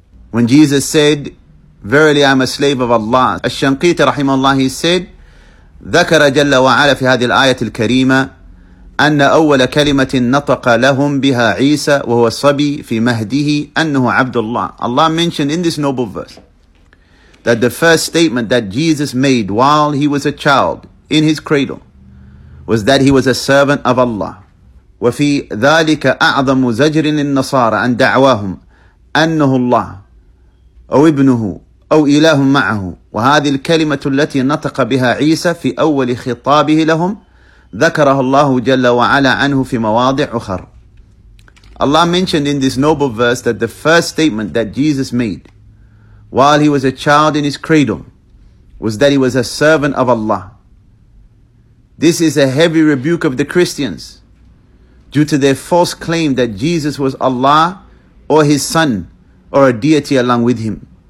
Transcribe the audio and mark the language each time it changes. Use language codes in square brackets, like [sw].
[en] When Jesus said, verily I'm a slave of Allah, Ash-Shanqiti rahimahullah, he said, [ar] ذكر جل وعلا في هذه الآية الكريمة أن أول كلمة نطق لهم بها عيسى وهو صبي في مهده أنه عبد الله. [en] Allah mentioned in this noble verse that the first statement that Jesus made while he was a child in his cradle was that he was a servant of Allah. [ar] وفي ذلك أعظم زجر للنصارى أن دعواهم أنه الله أو ابنه أو إله معه. وهذه الكلمة التي نطق بها عيسى في أول خطابه لهم ذكره الله جل وعلا عنه في مواضع أخر. [en] Allah mentioned in this noble verse that the first statement that Jesus made while he was a child in his cradle was that he was a servant of Allah. This is a heavy rebuke of the Christians due to their false claim that Jesus was Allah or his son or a deity along with him.